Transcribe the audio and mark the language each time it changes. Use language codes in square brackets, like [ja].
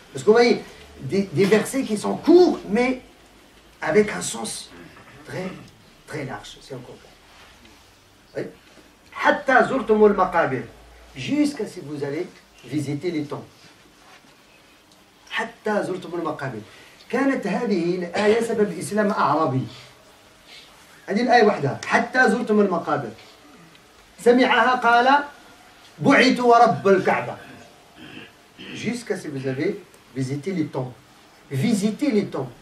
[fr] Parce que vous voyez, des versets qui sont courts, mais avec un sens très, très large. C'est encore plus. [ar] Hatta zurtumul maqabir. [fr] Jusqu'à ce que vous allez visiter les tombes. [ar] Hatta zurtumul maqabir. كانت هذه الآية سبب إسلام أعرابي. هذه الآية واحدة. حتى زرتم المقابر. سمعها قال بعث ورب الكعبة. [fr] Jusqu'à ce que vous avez visité les tombes. Visiter les tombes.